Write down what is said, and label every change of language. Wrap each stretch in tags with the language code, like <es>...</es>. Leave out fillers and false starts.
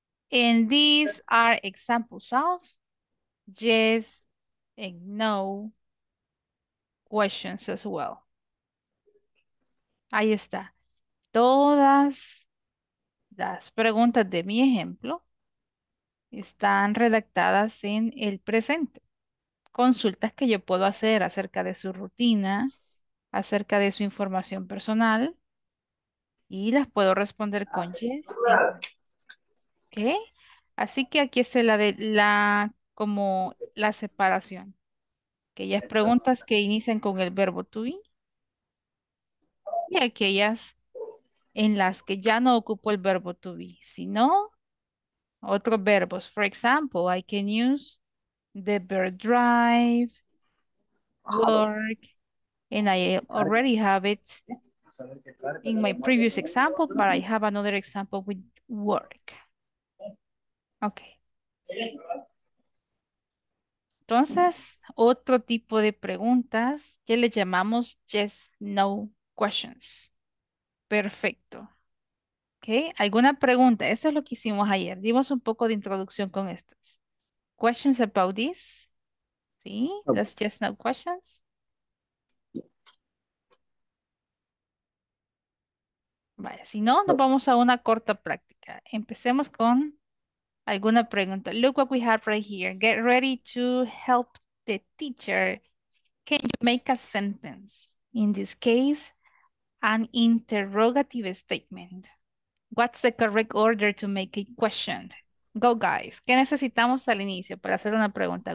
<en>And these are examples of yes and no questions as well.</en> <es>Ahí está. Todas las preguntas de mi ejemplo están redactadas en el presente. Consultas que yo puedo hacer acerca de su rutina, acerca de su información personal, y las puedo responder con yes y no. ¿Okay? Así que aquí está como la separación. Aquellas preguntas que inician con el verbo to be y aquellas en las que ya no ocupo el verbo to be, sino otros verbos.</es> <en>For example, I can use the verb drive, work, and I already have it in my previous example, but I have another example with work. Okay.</en> <es>Entonces, otro tipo de preguntas que le llamamos yes, no questions. Perfecto. Okay. ¿Alguna pregunta? Eso es lo que hicimos ayer. Dimos un poco de introducción con estas.</es> <en>Questions about this?</en> <es>Sí, las</es> <en>yes, no questions.</en> <es>Vaya, si no, nos vamos a una corta práctica. Empecemos con alguna pregunta.</es> <en>Look what we have right here. Get ready to help the teacher. Can you make a sentence? In this case, an interrogative statement. What's the correct order to make a question? Go, guys.</en> <es>¿Qué necesitamos al inicio para hacer una pregunta?</es>